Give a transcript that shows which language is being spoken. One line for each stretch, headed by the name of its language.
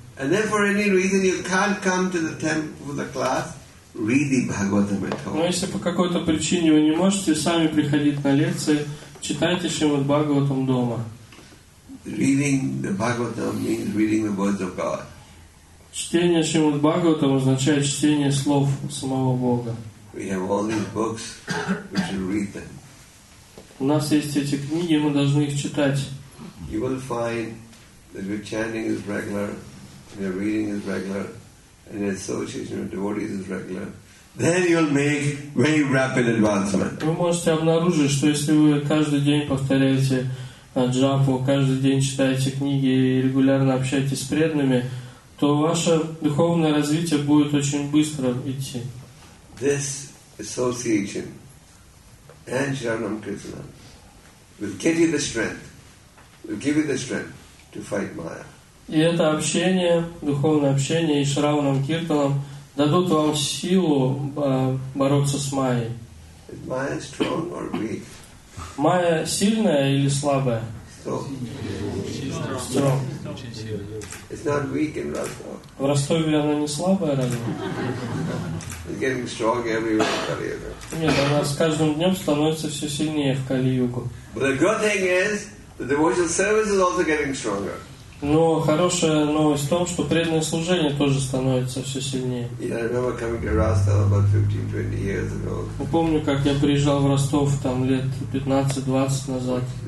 English: And then for any reason you can't come to the temple for the class, read the Bhagavatam at home.
Russian: Но если по какой-то причине вы не можете сами приходить на лекции, читайте Шримад Бхагаватам дома.
English: Reading the Bhagavatam means reading the words of God.
Russian: Чтение Шримад Бхагаватам означает чтение слов самого Бога.
English: We have all these books, we should read them.
Russian: У нас есть эти книги, мы должны их читать.
English: You will find that your chanting is regular, your reading is regular, and your association with devotees is regular. Then you'll make very rapid advancement.
Russian: Вы можете обнаружить, что если вы каждый день повторяете джапу, каждый день читаете книги и регулярно общаетесь с преданными, то ваше духовное развитие будет очень быстро идти.
English: This association and Sharanam Krishna will give you the strength, will give you the strength to fight Maya.
Russian: И это общение, духовное общение и Шраванам Киртанам дадут вам силу бороться с Майей.
English: Is Maya strong or weak?
Russian: Майя сильная или слабая?
English: Strong. It's not weak in Rostov.
Russian: В Ростове она не слабая, разве?
English: It's getting strong everywhere in Kali-Yuga.
Russian: Нет, она с каждым днем становится все сильнее в Кали-Югу.
English: But the good thing is that the devotional service is also getting stronger.
Russian: Но хорошая новость в том, что преданное служение тоже становится все сильнее.
English: Yeah, I remember coming to Rostov about 15-20 years ago.
Russian: Я помню, как я приезжал в Ростов там лет 15-20 назад.